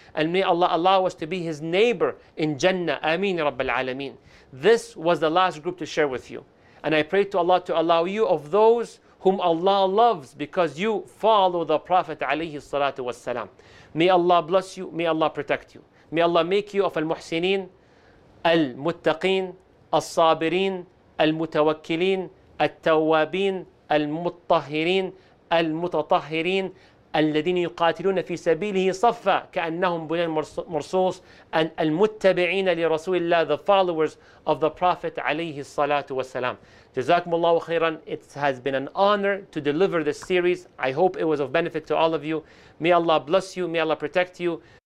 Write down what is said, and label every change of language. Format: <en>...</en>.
<en>And may Allah allow us to be his neighbor in Jannah. Ameen ya Rabbil Alameen. This was the last group to share with you. And I pray to Allah to allow you of those whom Allah loves because you follow the Prophet alayhi salatu wasalam. May Allah bless you. May Allah protect you. May Allah make you of al-muhsineen.</en> <ar>المتقين الصابرين المتوكلين التوابين المطهرين المتطهرين الذين يقاتلون في سبيله صفا كأنهم بنيان مرصوص and المتبعين لرسول الله</ar> <en>the followers of the Prophet</en> <ar>عليه الصلاة والسلام. جزاكم الله خيرا.</ar> <en>It has been an honor to deliver this series. I hope it was of benefit to all of you. May Allah bless you. May Allah protect you.</en>